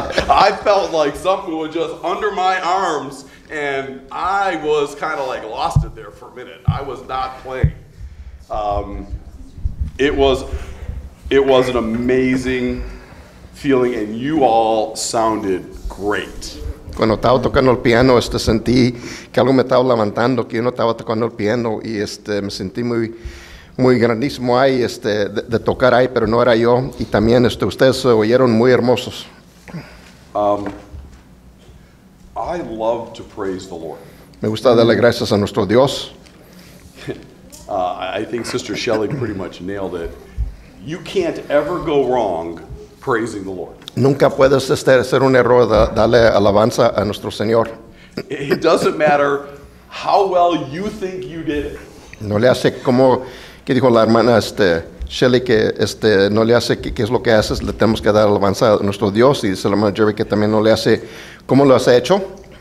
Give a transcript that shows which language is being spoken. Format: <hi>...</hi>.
<en>I felt like something was just under my arms, and I was kind of like lost it there for a minute. I was not playing. It was an amazing feeling, and you all sounded great.</en> <es>Cuando estaba tocando el piano, sentí que algo me estaba levantando, que yo no estaba tocando el piano, y me sentí muy muy grandísimo ahí, de tocar ahí, pero no era yo, y también ustedes se oyeron muy hermosos.</es> <en>I love to praise the Lord.</en> <es>Me gusta darle gracias a nuestro Dios.</es> <en>I think Sister Shelley pretty much nailed it. You can't ever go wrong praising the Lord.</en> <es>Nunca puedes hacer un error de darle alabanza a nuestro Señor.</es> <en>It doesn't matter how well you think you did it.</en> <es>No le hace como que dijo la hermana Shelley, que no le hace qué es lo que haces, le tenemos que dar alabanza a nuestro Dios, y dice la hermana Jerry que también no le hace cómo lo has hecho.</es>